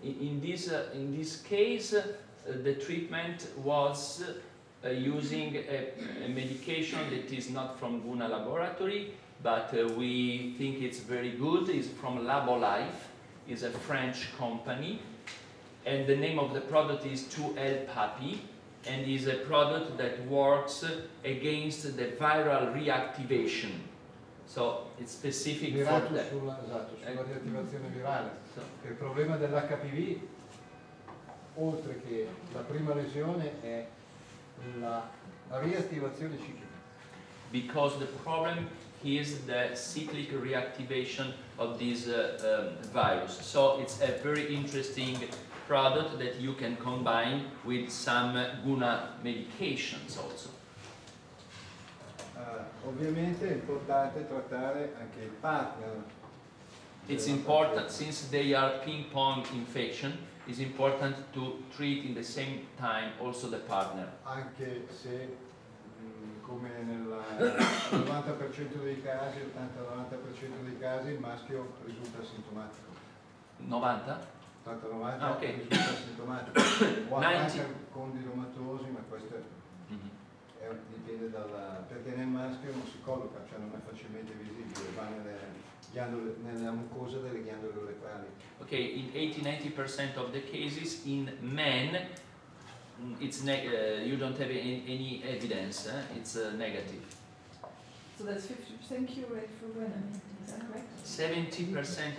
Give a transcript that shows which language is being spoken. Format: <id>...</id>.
<en>In this case the treatment was using a medication that is not from Guna laboratory, but we think it's very good. It's from Labolife, is a French company, and the name of the product is 2L Papi, and is a product that works against the viral reactivation. So it's specific</en> <it>mirato</it> <en>for that.</en> <it>Esatto, sulla riattivazione virale. So. Il problema dell'HPV, oltre che la prima lesione, è la riattivazione ciclica.</it> <en>Because the problem is the cyclic reactivation of this virus. So it's a very interesting product that you can combine with some Guna medications also.</en> <it>Ovviamente è importante trattare anche il partner.</it> <en>It's important, since they are ping-pong infection, it's important to treat in the same time also the partner.</en> <it>Anche se, come nel 90% dei casi, 80-90% dei casi, il maschio risulta asintomatico. 90? 80-90 ah, okay. Risulta asintomatico. O anche con dilomatosi, ma questo è, dipende dalla... Perché nel maschio non si colloca, cioè non è facilmente visibile, va nelle... nella mucosa delle ghiandole uretrali.</it> <en>Ok, in 80-90% of the cases in men it's you don't have any evidence, it's negative. So that's 50% cure rate for women, is that correct?</en>